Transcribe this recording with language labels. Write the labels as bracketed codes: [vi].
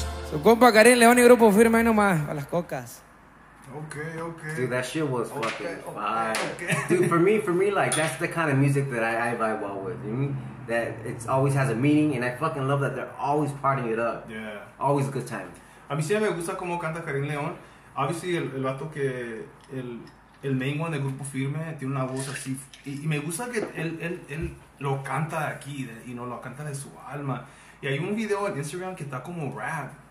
[es] Su compa Carin, León y Grupo Firme, ahí nomás, a las cocas. Ok, ok. [en] Dude, that shit was fucking fire. Dude, for me, like, that's the kind of music that I vibe well with. You know what I mean? That it always has a meaning, and I fucking love that they're always partying it up. Yeah. Always a good time. [es] A mí sí me gusta cómo canta Carin León. Obviously, el vato que... El [en] main one [es] del Grupo Firme tiene una voz así. Y me gusta que él lo canta de aquí, y no lo canta de su alma. Y hay un video en Instagram que está como rap.